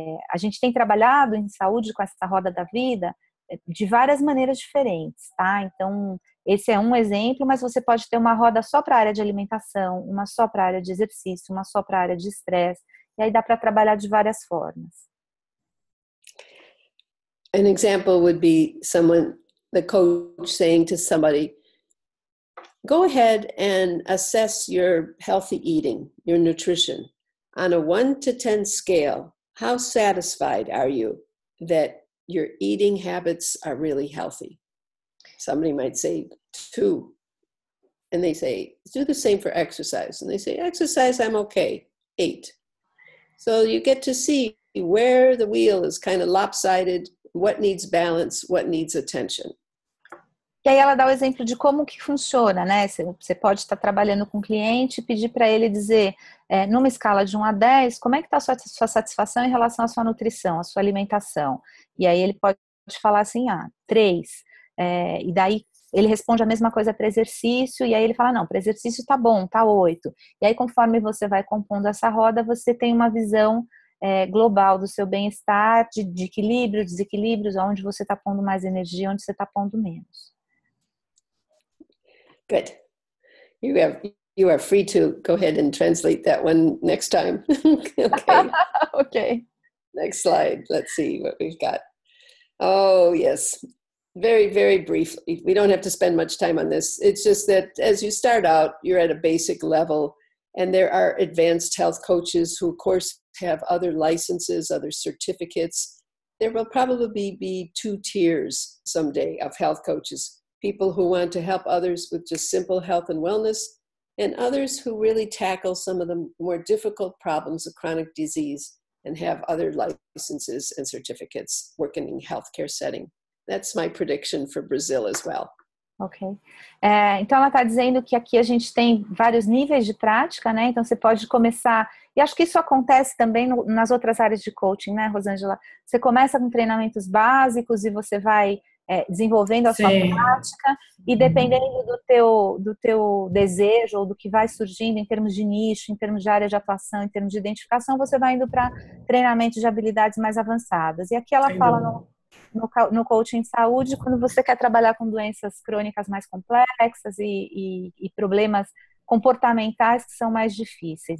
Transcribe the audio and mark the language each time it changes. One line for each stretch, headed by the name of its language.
Portuguese: A gente tem trabalhado em saúde com essa roda da vida de várias maneiras diferentes, tá? Então, esse é um exemplo, mas você pode ter uma roda só para a área de alimentação, uma só para a área de exercício, uma só para a área de estresse, e aí dá para trabalhar de várias formas.
English: An example would be the coach saying to somebody, go ahead and assess your healthy eating, your nutrition. On a 1 to 10 scale, how satisfied are you that your eating habits are really healthy? Somebody might say 2. And they say, do the same for exercise. And they say, exercise, I'm okay. 8. So you get to see where the wheel is kind of lopsided, what needs balance, what needs attention.
Portuguese: E aí ela dá o exemplo de como que funciona, né? Você pode estar trabalhando com um cliente e pedir para ele dizer, numa escala de 1 a 10, como é que está a sua satisfação em relação à sua nutrição, à sua alimentação? E aí ele pode falar assim, 3. E daí ele responde a mesma coisa para exercício, e aí ele fala, não, para exercício está bom, está 8. E aí conforme você vai compondo essa roda, você tem uma visão global do seu bem-estar, de equilíbrio, desequilíbrios, onde você está pondo mais energia, onde você está pondo menos.
English: Good. You are free to go ahead and translate that one next time. Okay. Okay. Next slide. Let's see what we've got. Oh, yes. Very, very briefly. We don't have to spend much time on this. It's just that as you start out, you're at a basic level, and there are advanced health coaches who, of course, have other licenses, other certificates. There will probably be 2 tiers someday of health coaches. People who want to help others with just simple health and wellness, and others who really tackle some of the more difficult problems of chronic disease and have other licenses and certificates working in healthcare setting. That's my prediction for Brazil as well. Okay.
Portuguese: Então ela está dizendo que aqui a gente tem vários níveis de prática, né? Então você pode começar, e acho que isso acontece também nas outras áreas de coaching, né, Rosângela? Você começa com treinamentos básicos e você vai desenvolvendo a sua prática e dependendo do teu desejo ou do que vai surgindo em termos de nicho, em termos de área de atuação, em termos de identificação, você vai indo para treinamento de habilidades mais avançadas. E aqui ela fala no coaching de saúde, quando você quer trabalhar com doenças crônicas mais complexas e problemas comportamentais que são mais difíceis.